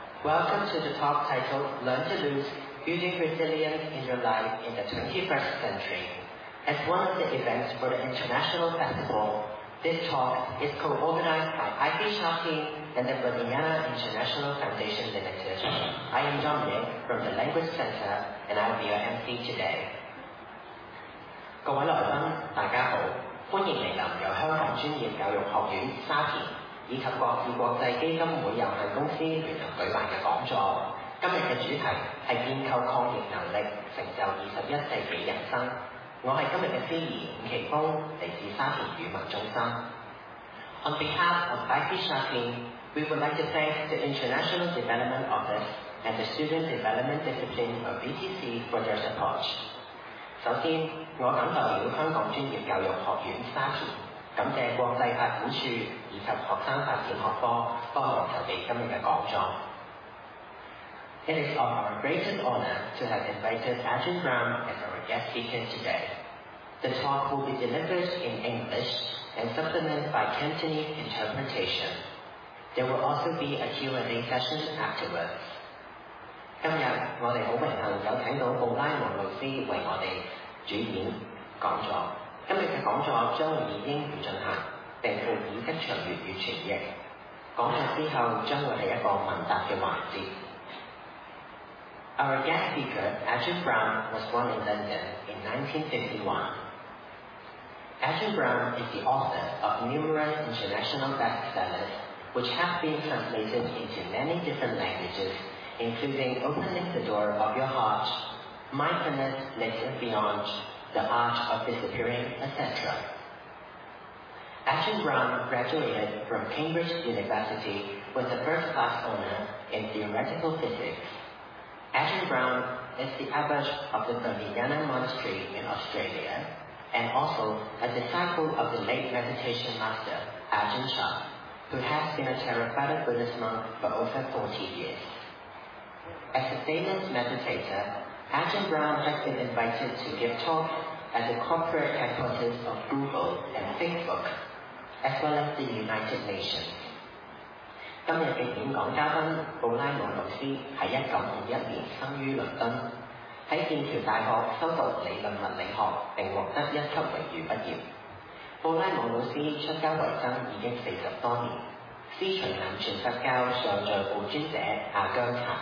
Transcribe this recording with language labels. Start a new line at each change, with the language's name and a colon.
English: Welcome to the talk titled Learn to Lose, Building Resilience in Your Life in the 21st Century. As one of the events for the International Festival, this talk is co-organized by IP Shanti and the Bodhinyana International Foundation Limited. I am Dominic from the Language Center, and I will be your MC today.
Cantonese: 各位来宾，大家好，欢迎来临由香港专业教育学院沙田以及國智國際基金會有限公司聯合舉辦的講座。今天的主題是建構抗逆能力，成就21世紀人生。我是今天的司儀伍奇峰，來自沙田語文中心。
English: On behalf of IP Shanti, we would like to thank the International Development Office and the Student Development Discipline of BTC for their support.
Cantonese: 首先，我感受了香港專業教育學院沙田，感謝國際發展處以及學生發展學科幫忙籌備今日的講座。
English: It is of our greatest honor to have invited Ajahn Brahm as our guest speaker today. The talk will be delivered in English and supplemented by Cantonese interpretation. There will also be a Q&A session afterwards.
Cantonese: 今日我哋好榮幸有請到布拉蒙老師為我哋主演講座。今日的講座將以英語進行，並附以即場粵語傳譯。講座之後將會是一個問答的環節。
English: Our guest speaker, Ajahn Brahm, was born in London in 1951. Ajahn Brahm is the author of numerous international bestsellers, which have been translated into many different languages, including Opening the Door of Your Heart, Mindfulness Lives Beyond,The Art of Disappearing, etc. Ajahn Brahm graduated from Cambridge University with a first-class honor in theoretical physics. Ajahn Brahm is the abbot of the Bodhinyana Monastery in Australia and also a disciple of the late meditation master Ajahn Chah, who has been a Theravada Buddhist monk for over 40 years. As a famous meditator,Ajahn Brahm has been invited to give talks at the corporate headquarters of Google and Facebook, as well as the United Nations.
Cantonese: 今日的演講嘉賓布拉蒙老師在1951年生於倫敦，在劍橋大學修讀理論物理學並獲得一級榮譽畢業。布拉蒙老師出家為僧已經40多年，師承南傳佛教上座部尊者阿姜察。